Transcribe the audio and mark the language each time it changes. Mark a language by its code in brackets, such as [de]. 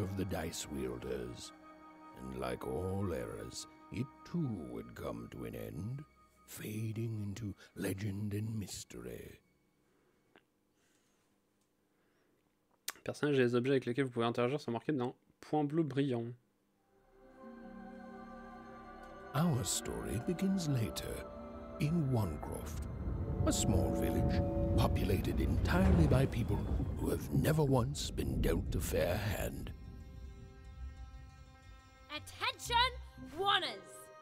[en] Dice wielders, and like all eras, it too would come to an end, fading into legend and mystery. [fr] Personnages et les objets avec lesquels vous pouvez interagir sont marqués dans point bleu brillant. [en] Our story begins later, in Wancroft, a small village populated entirely by people who have never once been dealt a fair hand. Attention, Wanners!